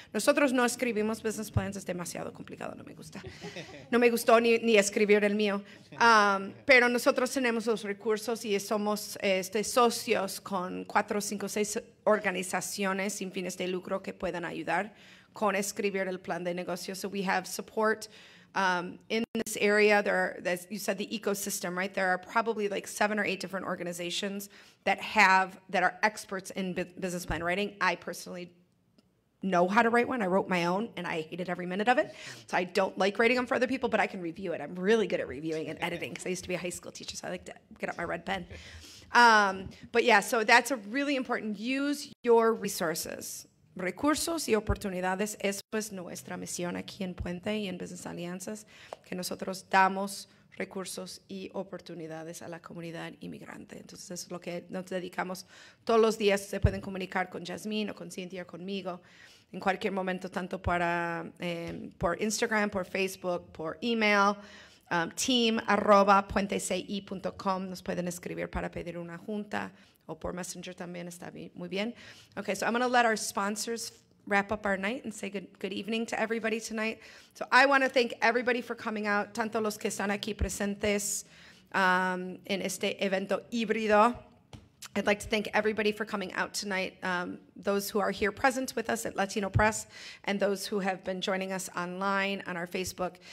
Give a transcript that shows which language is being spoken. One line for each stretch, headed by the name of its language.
Spanish: Nosotros no escribimos business plans, es demasiado complicado, no me gusta. No me gustó ni escribir el mío. Pero nosotros tenemos los recursos y somos socios con 4, 5, 6 organizaciones sin fines de lucro que puedan ayudar con escribir el plan de negocio.
English: So we have support in this area. There are, as you said, the ecosystem, right? There are probably like 7 or 8 different organizations that are experts in business plan writing. I personally know how to write one. I wrote my own, and I hated every minute of it. So I don't like writing them for other people, but I can review it. I'm really good at reviewing and editing because I used to be a high school teacher, so I like to get out my red pen. But yeah, so that's a really important. Use your resources.
Spanish: Recursos y oportunidades. Eso es nuestra misión aquí en Puente y en Business Alianzas, que nosotros damos recursos y oportunidades a la comunidad inmigrante. Entonces, eso es lo que nos dedicamos todos los días. Se pueden comunicar con Jasmine o con Cynthia o conmigo en cualquier momento, tanto para por Instagram, por Facebook, por email, team@puenteci.com. Nos pueden escribir para pedir una junta o por Messenger también está muy bien.
English: Okay, so I'm going to let our sponsors wrap up our night and say good evening to everybody tonight. So I want to thank everybody for coming out,
Spanish: tanto los que están aquí presentes en este evento híbrido.
English: I'd like to thank everybody for coming out tonight, those who are here present with us at Latino Press, and those who have been joining us online on our Facebook.